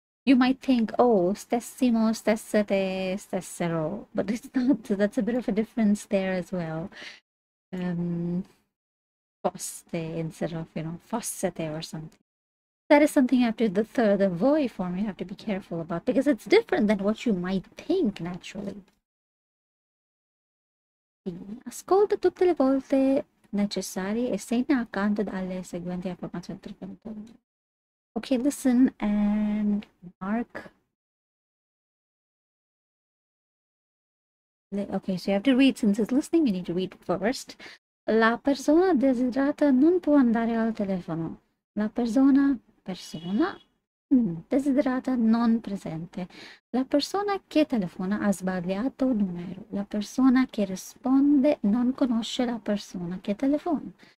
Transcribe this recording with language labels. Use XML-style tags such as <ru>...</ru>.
<en>you might think oh stessimo stessete stessero but it's not that's a bit of a difference there as well Foste instead of, you know, fossete or something. That is something after the third, the voi form, you have to be careful about because it's different than what you might think naturally.</en> <it>Ascolta tutte le volte necessarie e segna accanto alle seguenti affermazioni.</it> <en>Okay, listen and mark. Okay, so you have to read. Since it's listening, you need to read first.</en> <it>La persona desiderata non può andare al telefono. La persona desiderata non presente. La persona che telefona ha sbagliato numero. La persona che risponde non conosce la persona che telefona.</it>